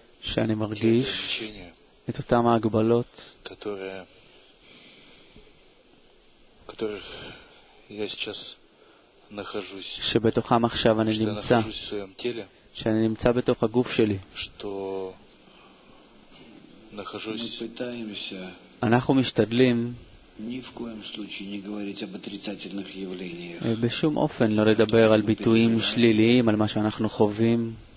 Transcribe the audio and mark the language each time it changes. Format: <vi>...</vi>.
<he>שאני מרגיש את אותם ההגבלות,</he> <ru>которые я сейчас нахожусь</ru> <he>שבתוכם עכשיו אני נמצא שאני נמצא בתוך הגוף שלי</he> <ru>что нахожусь мы пытаемся</ru> <he>אנחנו משתדלים</he> <ru>ни в коем случае не говорить об отрицательных явлениях</ru> <he>בשום אופן לא לדבר על ביטויים שליליים על מה שאנחנו חווים</he>